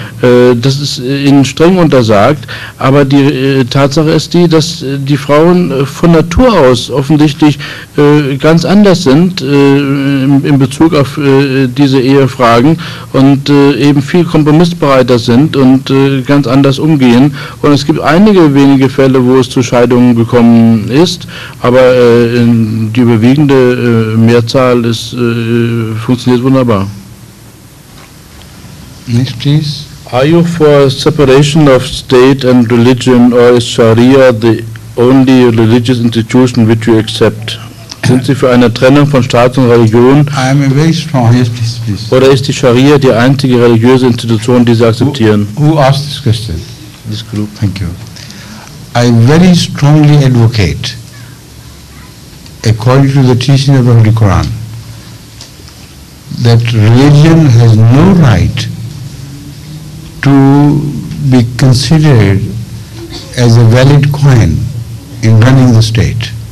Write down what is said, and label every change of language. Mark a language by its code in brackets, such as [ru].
[de] Das ist ihnen streng untersagt, aber die Tatsache ist die, dass die Frauen von Natur aus offensichtlich ganz anders sind in Bezug auf diese Ehefragen und eben viel kompromissbereiter sind und ganz anders umgehen. Und es gibt einige wenige Fälle, wo es zu Scheidungen gekommen ist, aber die überwiegende Mehrzahl ist, funktioniert wunderbar. [en] Next, please. Are you for separation of state and religion, or is Sharia the only religious institution which you accept? [de] Sind Sie für eine Trennung von Staat und Religion? [en] I am a very strong, yes, please, please. [de] Oder ist die Sharia die einzige religiöse Institution, die Sie akzeptieren? [en] Who asked this question? This group. Thank you. I very strongly advocate, according to the teaching of the Holy Quran, that religion has no right to be considered as a valid coin in running the state.